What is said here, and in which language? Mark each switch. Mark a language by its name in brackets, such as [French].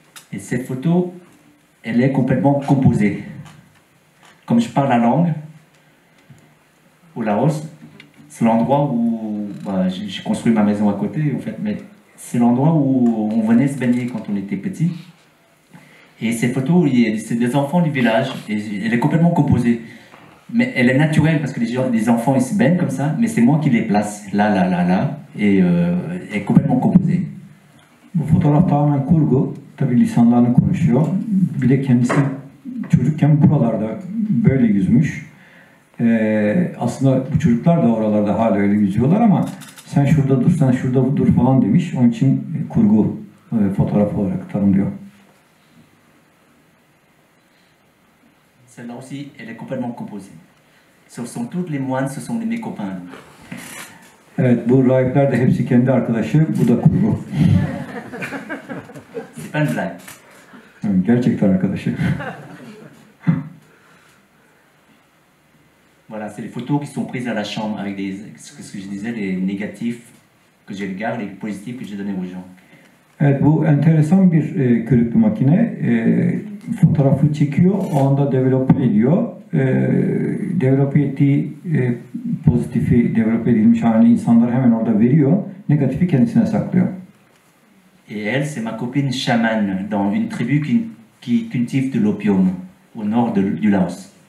[French] Et cette photo, elle est complètement composée. Comme je parle la langue, au Laos, c'est l'endroit où j'ai construit ma maison à côté, en fait, mais c'est l'endroit où on venait se baigner quand on était petit. Et cette photo, c'est des enfants du village, et elle est complètement composée. Mais elle est naturelle parce que les enfants ils se baignent comme ça, mais c'est moi qui les place là, et elle est complètement composée. [Turkish] Bu fotoğraf tamamen kurgu. Tabii lisanlarını konuşuyor. Bir de kendisi çocukken buralarda böyle yüzmüş. Aslında bu çocuklar da oralarda hala öyle yüzüyorlar ama sen şurada dur, sen şurada dur falan demiş. Onun için kurgu fotoğraf olarak tanımlıyor. [French] Celle-là aussi, elle est complètement composée. Ce sont toutes les moines, ce sont mes copains. [Turkish] Evet, bu rahipler de hepsi kendi arkadaşı, bu da kurgu. [French] C'est pas une blague. [Turkish] Gerçekten arkadaşı. [French] Voilà, c'est les photos qui sont prises à la chambre avec des, ce que je disais, les négatifs que je regarde, les positifs que je donne aux gens. [Turkish] Evet, bu enteresan bir körüklü makine. Fotoğrafı çekiyor, o anda develop ediyor. Develop ettiği pozitifi, develop edilmiş halini insanlara hemen orada veriyor. Negatifi kendisine saklıyor. [French] Et elle, c'est ma copine chamane dans une tribu qui cultive de l'opium au nord du Laos.